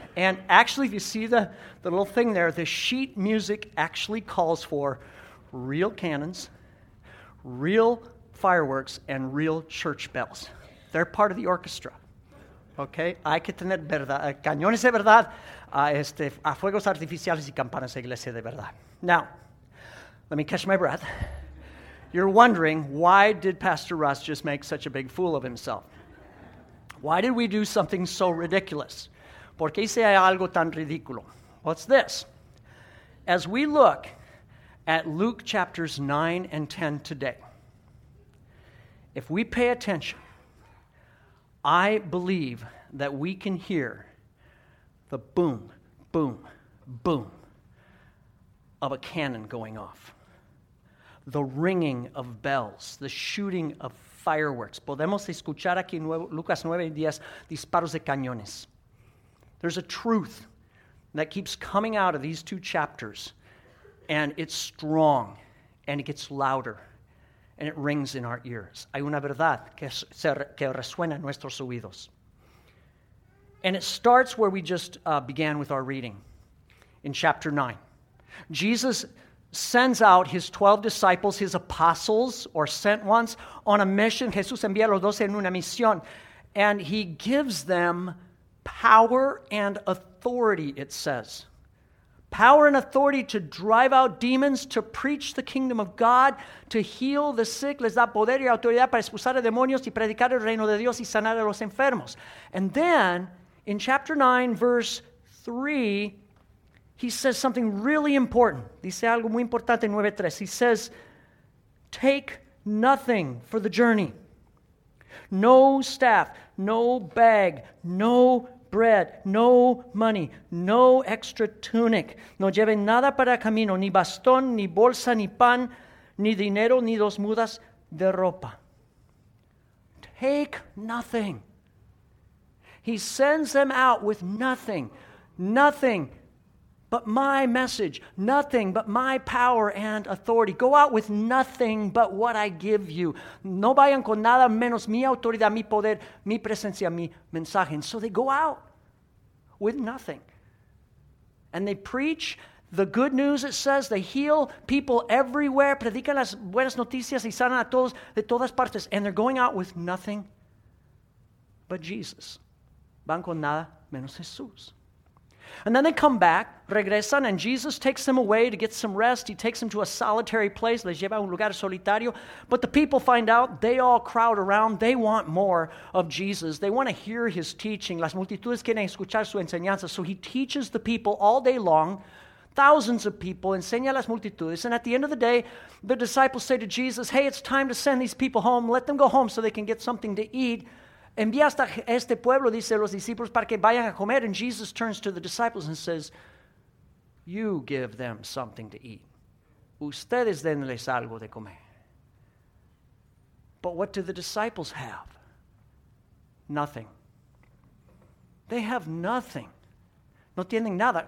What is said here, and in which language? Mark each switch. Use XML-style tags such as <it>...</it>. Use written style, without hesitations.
<en>And actually, if you see the little thing there, the sheet music actually calls for real cannons, real fireworks, and real church bells. They're part of the orchestra.</en> <es>Okay, hay que tener verdad, cañones de verdad, a fuegos artificiales y campanas de iglesia de verdad.</es> <en>Now, let me catch my breath. You're wondering, why did Pastor Russ just make such a big fool of himself? Why did we do something so ridiculous?</en> <es>¿Por qué hice algo tan ridículo?</es> <en>Well, it's this. As we look at Luke chapters 9 and 10 today, if we pay attention, I believe that we can hear the boom, boom, boom of a cannon going off. The ringing of bells, the shooting of fireworks.</en> <es>Podemos escuchar aquí Lucas 9 y 10, disparos de cañones.</es> <en>There's a truth that keeps coming out of these two chapters, and it's strong, and it gets louder, and it rings in our ears.</en> <es>Hay una verdad que resuena en nuestros oídos.</es> <en>And it starts where we just began with our reading, in chapter 9. Jesus sends out his 12 disciples, his apostles, or sent ones, on a mission.</en> <es>Jesús envía a los 12 en una misión.</es> <en>And he gives them power and authority, it says. Power and authority to drive out demons, to preach the kingdom of God, to heal the sick.</en> <es>Les da poder y autoridad para expulsar a demonios y predicar el reino de Dios y sanar a los enfermos.</es> <en>And then, in chapter 9, verse 3, he says something really important.</en> <es>Dice algo muy importante en 9:3.</es> <en>He says, take nothing for the journey. No staff, no bag, no bread, no money, no extra tunic.</en> <es>No lleve nada para camino, ni bastón, ni bolsa, ni pan, ni dinero, ni dos mudas de ropa.</es> <en>Take nothing. He sends them out with nothing, nothing. But my message, nothing but my power and authority. Go out with nothing but what I give you.</en> <es>No vayan con nada menos mi autoridad, mi poder, mi presencia, mi mensaje.</es> <en>And so they go out with nothing. And they preach the good news, it says. They heal people everywhere.</en> <es>Predican las buenas noticias y sanan a todos de todas partes.</es> <en>And they're going out with nothing but Jesus.</en> <es>Van con nada menos Jesús.</es> <en>And then they come back,</en> <es>regresan,</es> <en>and Jesus takes them away to get some rest. He takes them to a solitary place,</en> <es>les lleva a un lugar solitario.</es> <en>But the people find out, they all crowd around, they want more of Jesus. They want to hear his teaching.</en> <es>Las multitudes quieren escuchar su enseñanza.</es> <en>So he teaches the people all day long, thousands of people,</en> <es>enseña a las multitudes.</es> <en>And at the end of the day, the disciples say to Jesus, hey, it's time to send these people home. Let them go home so they can get something to eat.</en> <es>Envía hasta este pueblo, dice los discípulos, para que vayan a comer.</es> <en>And Jesus turns to the disciples and says, you give them something to eat.</en> <es>Ustedes denles algo de comer.</es> <en>But what do the disciples have? Nothing. They have nothing.</en> <es>No tienen nada.</es>